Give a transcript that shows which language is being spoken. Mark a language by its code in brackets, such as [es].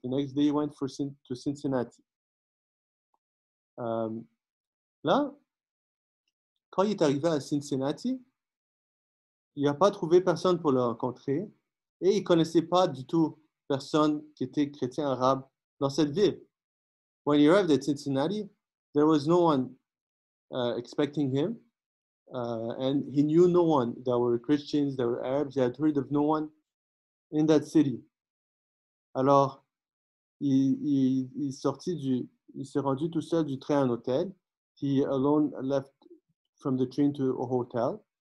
[en] The next day, he went to Cincinnati. [fr] Là, quand il est arrivé à Cincinnati, il n'a pas trouvé personne pour le rencontrer et il ne connaissait pas du tout personne qui était chrétien arabe dans cette ville. [en] When he arrived at Cincinnati, there was no one expecting him, and he knew no one. There were Christians, there were Arabs, he had heard of no one in that city. [fr] Alors, il s'est rendu tout seul du train à un hôtel. [en] He alone left from the train to a hotel.